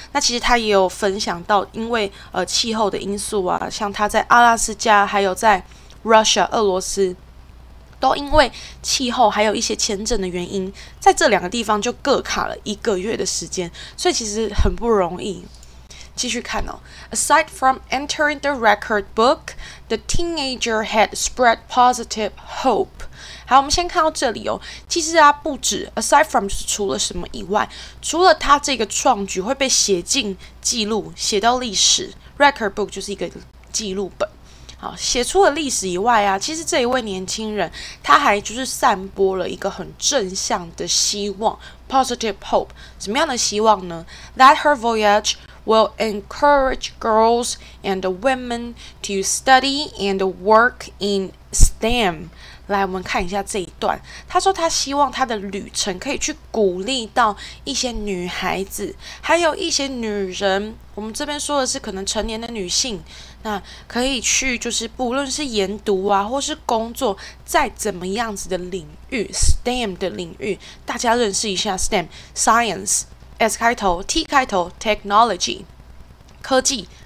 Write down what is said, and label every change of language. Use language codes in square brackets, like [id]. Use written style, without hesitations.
[zh] 那其实他也有分享到，因为气候的因素啊，像他在阿拉斯加，还有在 Russia 俄罗斯，都因为气候还有一些签证的原因，在这两个地方就各卡了1个月的时间，所以其实很不容易。继续看哦。 [en] Aside from entering the record book, the teenager had spread positive hope。 [zh] 好，我们先看到这里哦。其实啊，不止 [en] aside from [zh] 就是除了什么以外，除了他这个创举会被写进记录，写到历史。 [en] record book [zh] 就是一个记录本。好，写出了历史以外啊，其实这一位年轻人他还就是散播了一个很正向的希望， [en] positive hope。 [zh] 怎么样的希望呢？ [en] That her voyage will encourage girls and women to study and work in STEM。 [zh] 来，我们看一下这一段。他说他希望他的旅程可以去鼓励到一些女孩子，还有一些女人。我们这边说的是可能成年的女性，那可以去就是不论是研读啊，或是工作，在怎么样子的领域，STEM 的领域，大家认识一下 STEM，Science。S 开头，T 开头，Technology，科技